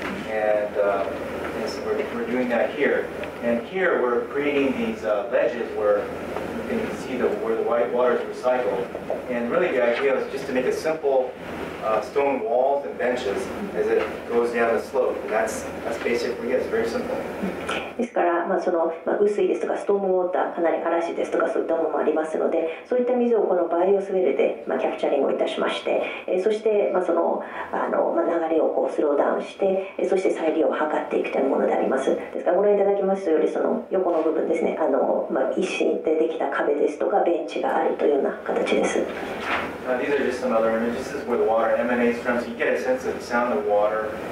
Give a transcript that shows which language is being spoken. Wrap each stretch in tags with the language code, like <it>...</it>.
<en>And we're doing that here. And here we're creating these ledges where you can see where the white water is recycled. And really the idea is just to make a simple stone walls and benches as it goes down the slope. And that's basically it, it's very simple.</en> <ja>ですから、雨水ですとかストームウォーター、かなり嵐ですとかそういったものもありますので、そういった水をこのバイオスウェルで、キャプチャリングをいたしまして、そして、流れをこうスローダウンして、そして再利用を図っていくというものであります。ですからご覧いただきますよりその横の部分ですね、石でできた壁ですとかベンチがあるというような形です。</ja> <en>These are just some other images. This is where the water emanates from, so you get a sense of the sound of water.</en>